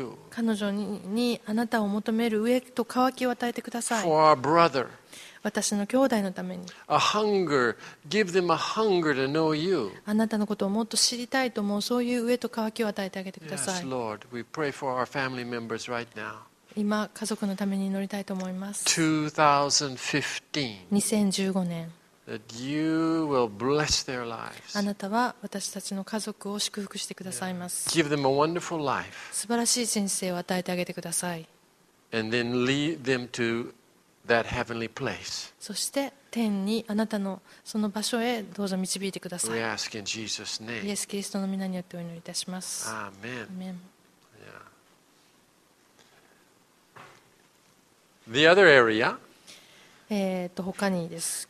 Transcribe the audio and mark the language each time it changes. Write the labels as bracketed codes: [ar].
[ja] 彼女にあなたを求める飢えと渇きを与えてください。 [en] For our brother. [ja] 私の兄弟のために。 [en] A hunger. Give them a hunger to know you. [ja] あなたのことをもっと知りたいと思う、そういう飢えと渇きを与えてあげてください。 [en] Yes, Lord. We pray for our family members right now. [ja] 今、家族のために祈りたいと思います。 [en] 2015 [ja] 年。 [en] That you will bless their lives. [ja] あなたは私たちの家族を祝福してくださいます。 [en] Give them a wonderful life. [ja] 素晴らしい人生を与えてあげてください。 [en] And then lead them to that heavenly place. [ja] そして天にあなたのその場所へどうぞ導いてください。 [en] We ask in Jesus' name. [ja] イエス・キリストの御名によってお祈りいたします。 [en] Amen. Amen. Yeah. The other area. [ja] 他にです。